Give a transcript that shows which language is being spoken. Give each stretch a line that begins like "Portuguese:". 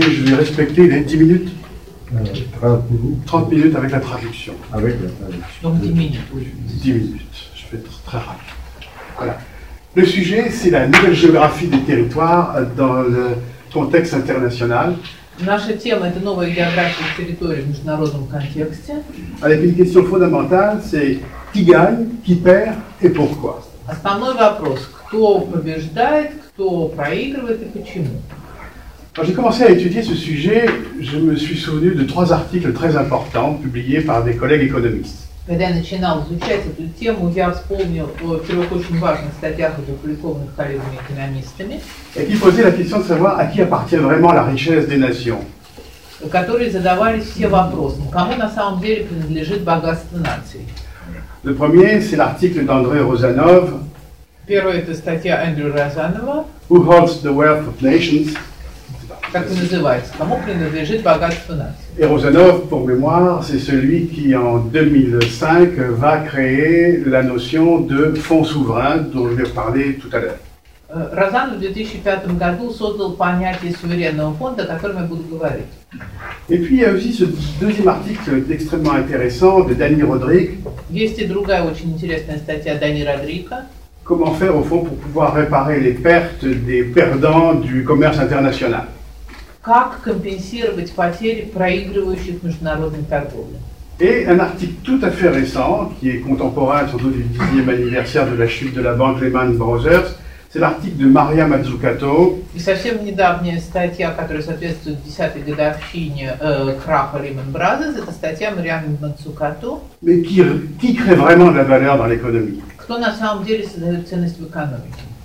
French: Je vais respecter les 10 minutes. 30 minutes. 30 minutes avec la traduction. Avec la traduction. Donc 10 minutes. 10 minutes. Je vais être très rapide. Voilà. Le sujet, c'est la nouvelle géographie des territoires dans le contexte international.
Russian: Наша тема – это новая география территории в международном контексте.
French: Avec une question fondamentale, c'est qui gagne, qui perd et pourquoi.
Russian: Основной вопрос – кто побеждает, кто проигрывает и почему.
French: Quand j'ai commencé à étudier ce sujet, je me suis souvenu de trois articles très importants publiés par des collègues économistes.
Russian: Когда я начинал изучать эту тему, я вспомнил о трех очень важных статьях, опубликованных коллегами экономистами.
French: Et qui posaient la question de savoir à qui appartient vraiment la richesse des nations.
Russian: Которые задавали все вопросы, кому на самом деле принадлежит богатство нации.
French: Le premier, c'est l'article d'André Rozanov.
Russian: Первая это статья Эндрю Розанова.
English: Who holds the wealth of nations?
Russian: Как это называется? Кому принадлежит богатство нации?
French: Et Rozanov, pour mémoire, c'est celui qui, en 2005, va créer la notion de fonds souverain, dont je vais parler tout à l'heure.
Russian: Розанов в 2005 году создал понятие суверенного фонда, о котором я буду говорить.
French: Et puis, il y a aussi ce deuxième article extrêmement intéressant de Dany Rodrik.
Russian: Есть и другая очень интересная статья Дани Родрика.
French: Comment faire, au fond, pour pouvoir réparer les pertes des perdants du commerce international?
Russian: Как компенсировать потери проигрывающих международной торговли.
French: Et un article tout à fait récent, qui est contemporain surtout du 10e anniversaire de la chute de la banque Lehman Brothers, c'est l'article de Maria Mazzucato.
Russian: И совсем недавняя статья, которая соответствует 10-й годовщине краха Lehman Brothers, это статья Марианы Мадзукато.
French: Mais qui crée vraiment de la valeur dans l'économie?
Russian: Кто на самом деле создает ценность в экономике?